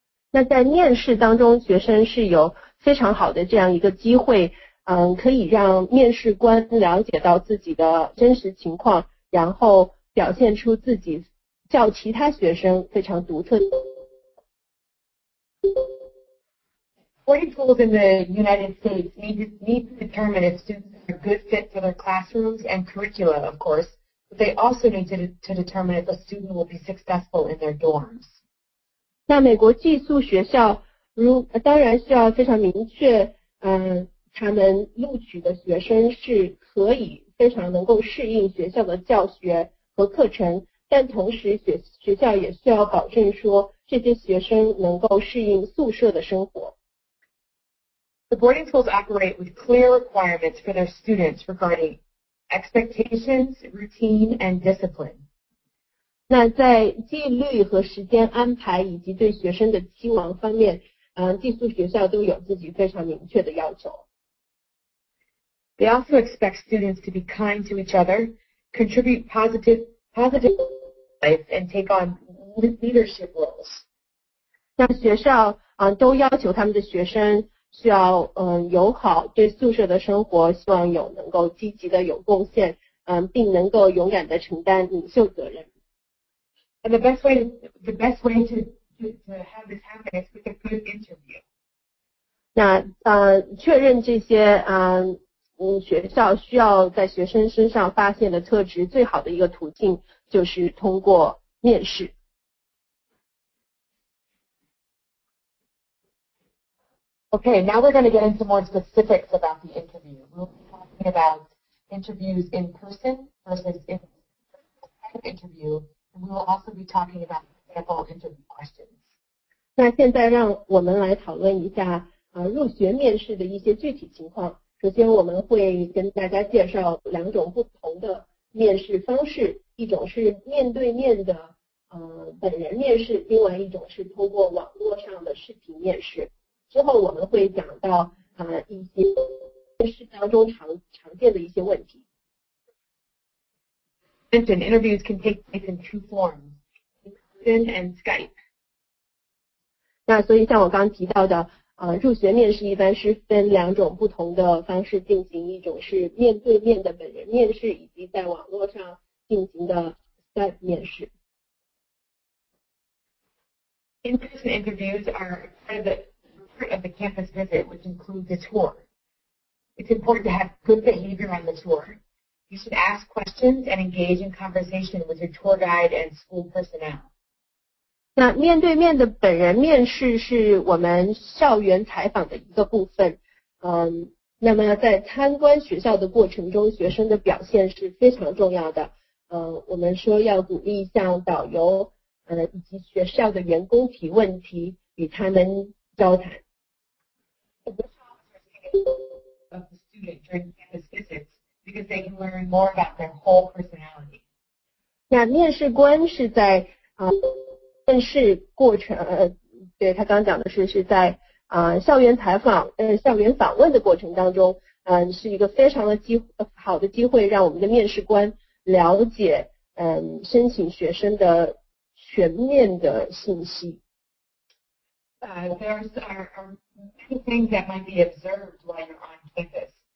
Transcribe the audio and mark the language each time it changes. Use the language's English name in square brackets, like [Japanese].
[Chinese] 那在面试当中，学生是有非常好的这样一个机会，可以让面试官了解到自己的真实情况，然后表现出自己较其他学生非常独特的。 [English] Boarding schools in the United States need to determine if students are a good fit for their classrooms and curricula, of course, but they also need to determine if a student will be successful in their dorms. [Chinese] 那美国寄宿学校当然需要非常明确，他们录取的学生是可以非常能够适应学校的教学和课程，但同时学校也需要保证说这些学生能够适应宿舍的生活。 [English] The boarding schools operate with clear requirements for their students regarding expectations, routine, and discipline. [Chinese] 那在纪律和时间安排以及对学生的期望方面，寄宿学校都有自己非常明确的要求。 [English] They also expect students to be kind to each other, contribute positive life, and take on leadership roles. [Chinese] 那学校都要求他们的学生需要友好，对宿舍的生活希望有能够积极的有贡献，并能够勇敢的承担领袖责任。 [English] And the best way to have this happen is with a good interview. [Chinese] 那确认这些学校需要在学生身上发现的特质，最好的一个途径就是通过面试。 [English] Okay, now we're going to get into more specifics about the interview. We'll be talking about interviews in person versus in live interview, and we'll also be talking about sample interview questions. [Chinese] 那现在让我们来讨论一下入学面试的一些具体情况。首先我们会跟大家介绍两种不同的面试方式，一种是面对面的本人面试，另外一种是通过网络上的视频面试。之后我们会讲到一些面试当中常见的一些问题。 [English] Mentioned interviews can take place in two forms, in person and Skype. [Chinese] 那所以像我刚提到的，入学面试一般是分两种不同的方式进行，一种是面对面的本人面试，以及在网络上进行的 Skype 面试。 [English] In-person interviews are part of the campus visit, which includes a tour. It's important to have good behavior on the tour. You should ask questions and engage in conversation with your tour guide and school personnel. [Chinese] 那面对面的本人面试是我们校园采访的一个部分，那么在参观学校的过程中，学生的表现是非常重要的。我们说要鼓励向导游以及学校的员工提问题，与他们交谈。 [English] Of the student during campus visits because they can learn more about their whole personality. [Chinese] 那面试官是在面试过程，对，他刚讲的是在校园采访校园访问的过程当中，是一个非常的好的机会，让我们的面试官了解申请学生的全面的信息。 [English] There are many things that might be observed while you're on campus.